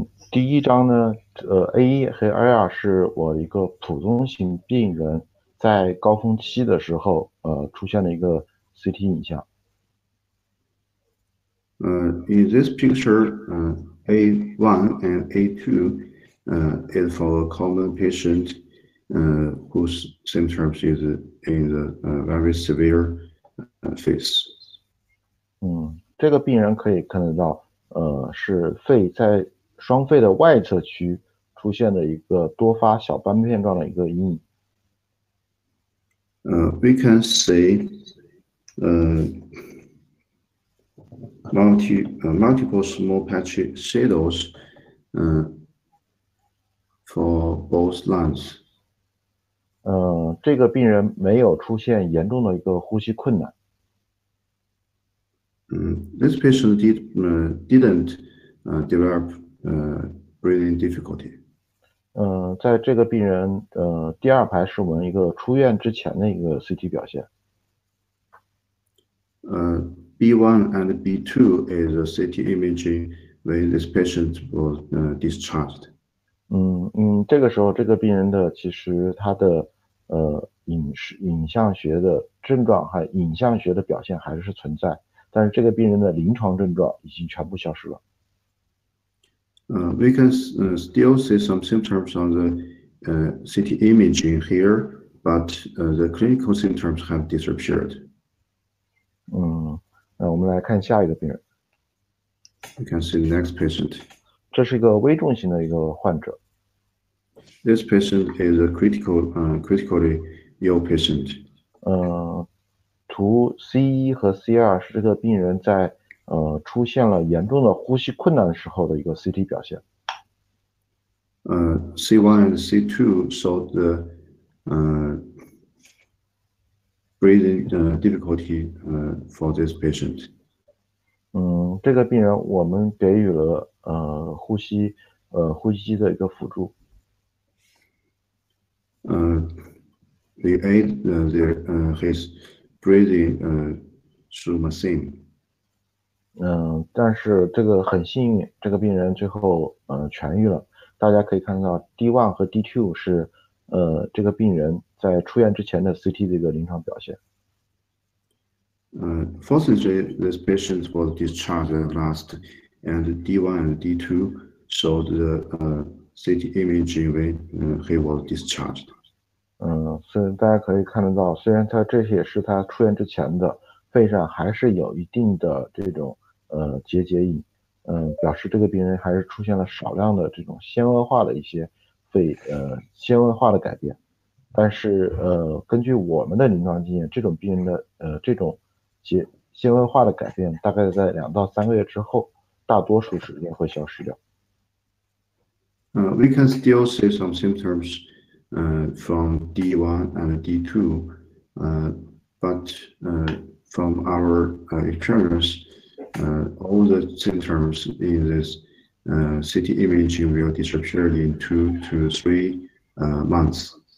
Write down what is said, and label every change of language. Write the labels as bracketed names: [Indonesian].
[Chinese] 第一张呢，A 一和 A 二是我一个普通型病人在高峰期的时候，出现了一个 CT 影像。 [English] In this picture, A one and A two, is for a common patient, whose symptoms is in the very severe phase. [Chinese] 这个病人可以看得到，是肺在双肺的外侧区出现的一个多发小斑片状的一个阴影。 [English] We can see multiple small patchy shadows for both lungs. [Chinese] 这个病人没有出现严重的一个呼吸困难。 [English] This patient didn't develop breathing difficulty. [Chinese] 在这个病人第二排是我们一个出院之前的一个 CT 表现。 [English] B1 and B2 is a CT imaging when this patient was discharged. [Chinese] 这个时候这个病人的其实他的影像学的症状和影像学的表现还是存在，但是这个病人的临床症状已经全部消失了。 [English] We can still see some symptoms on the CT imaging here, but the clinical symptoms have disappeared. [Chinese] 那我们来看下一个病人。 [English] We can see the next patient. [Chinese] 这是一个危重型的一个患者。 [English] This patient is a critically ill patient. [Chinese] 图 C1 和 C2 是这个病人在出现了严重的呼吸困难时候的一个 CT 表现。 [English] C1 and C2 showed the breathing difficulty for this patient. [Chinese] 这个病人我们给予了呼吸机的一个辅助。 [English] We aid his breathing through machine. [Chinese] 但是这个很幸运，这个病人最后痊愈了。大家可以看到 D1 和 D2 是这个病人在出院之前的 CT 的一个临床表现。 [English] Fortunately, this patient was discharged last, and D1 and D2 showed the CT imaging when he was discharged. [Chinese] 所以大家可以看得到，虽然他这些是他出院之前的，肺上还是有一定的这种结节影。表示这个病人还是出现了少量的这种纤维化的一些肺纤维化的改变，但是根据我们的临床经验，这种病人的这种纤维化的改变大概在2到3个月之后，大多数时间会消失掉。 [English] We can still see some symptoms from D1 and D2, but from our experience. All the symptoms in this CT imaging will disappear in 2 to 3 months.